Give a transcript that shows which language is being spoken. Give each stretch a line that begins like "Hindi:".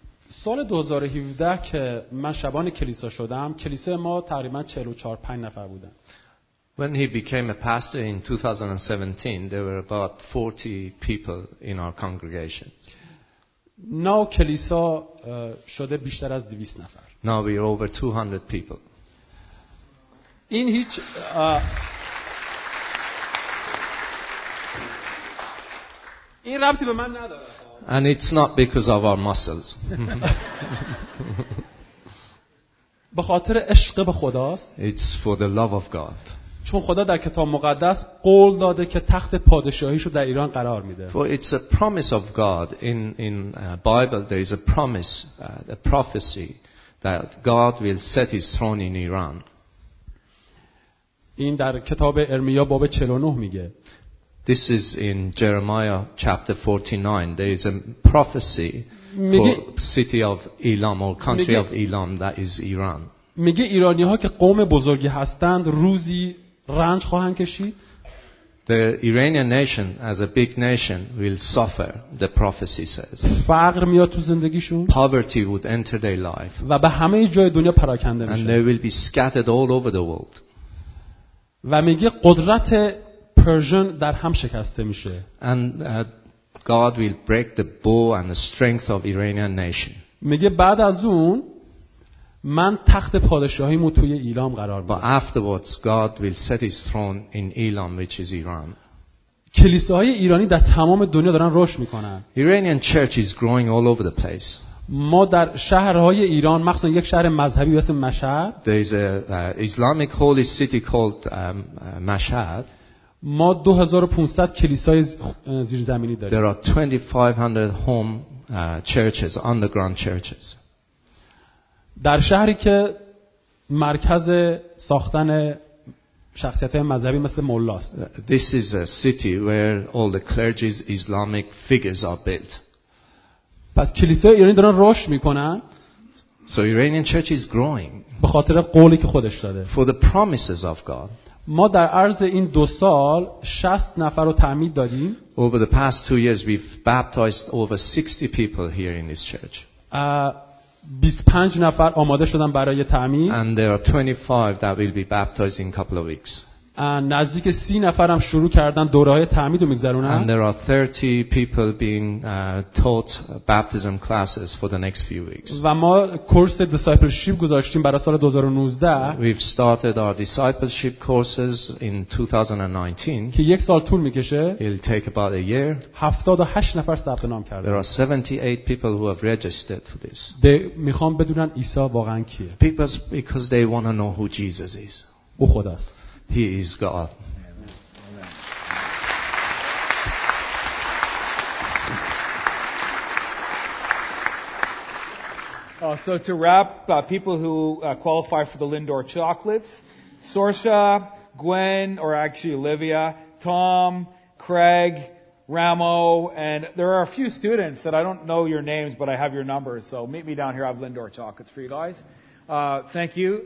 Persian: سال 2017 که من شبان کلیسا شدم، کلیسای ما تقریبا 44-45 نفر بودن.
English: When he became a pastor in 2017, there were about 40 people in our congregation. Now
Persian: کلیسا شده بیشتر از 200 نفر.
English: Now we are over 200 people.
Persian: این هیچ این ربطی به من نداره.
English: And it's not because of our muscles.
Persian: به خاطر عشق به خداست.
English: It's for the love of God.
Persian: چون خدا در کتاب مقدس قول داده که تخت پادشاهیشو در ایران قرار میده.
English: For it's a promise of God. In Bible there is a promise, a prophecy that God will set his throne in Iran.
Persian: این در کتاب ارمیا باب 49 میگه.
English: This is in Jeremiah chapter 49. There is a prophecy for city of Elam or country of Elam, that is Iran.
Persian: میگه ایرانی‌ها که قوم بزرگی هستند روزی رنج خواهند کشید.
English: The Iranian nation as a big nation will suffer, the prophecy says.
Persian: فقر میاد تو زندگیشون.
English: Poverty would enter their life.
Persian: و به همه جای دنیا پراکنده میشه.
English: And they will be scattered all over the world.
Persian: و میگه قدرت پرژن در هم شکسته میشه.
English: And God will break the bow and the strength of Iranian nation.
Persian: میگه بعد از اون من تخت پادشاهیمو توی ایلام قرار میدم.
English: Afterwards God will set his throne in Elam which is Iran.
Persian: کلیساهای ایرانی در تمام دنیا دارن رشد میکنن.
English: Iranian church is growing all over the place.
Persian: ما در شهرهای ایران مخصوصا یک شهر مذهبی مثل مشهد.
English: There is a Islamic holy city called Mashhad.
Persian: ما 2500 کلیسای زیرزمینی داریم.
English: There are 2500 home churches, underground churches.
Persian: در شهری که مرکز ساختن شخصیت‌های مذهبی مثل ملاست.
English: This is a city where all the clergy's Islamic figures are built.
Persian: پس کلیسای ایرانی دارن رشد میکنن.
English: So Iranian church is growing.
Persian: به خاطر قولی که خودش داده.
English: For the promises of God.
Persian: ما در عرض این دو سال 60 نفر رو تعمید دادیم.
English: Over the past 2 years we've baptized over 60 people here in this church.
Persian: 25 نفر آماده شدن برای تعمید.
English: And there are 25 that will be baptized in a couple of weeks.
Persian: نزدیک 30 نفر هم شروع کردن دوره های تعمید رو میگذرونن.
English: And there are 30 people being taught baptism classes for the next few weeks.
Persian: و ما کورس discipleship گذاشتیم برای سال 2019.
English: We've started our discipleship courses in 2019.
Persian: که یک سال طول میکشه.
English: It'll take about a year.
Persian: 78 نفر ثبت نام کردن.
English: There are 78 people who have registered for this.
Persian: میخوام بدونن عیسی واقعا کیه.
English: People because they want to know who Jesus is.
Persian: او خداست.
English: He is God. So to wrap, people who qualify for the Lindor chocolates, Sorsha, Gwen, or actually Olivia, Tom, Craig, Ramo, and there are a few students that I don't know your names, but I have your numbers, so meet me down here. I have Lindor chocolates for you guys. Thank you.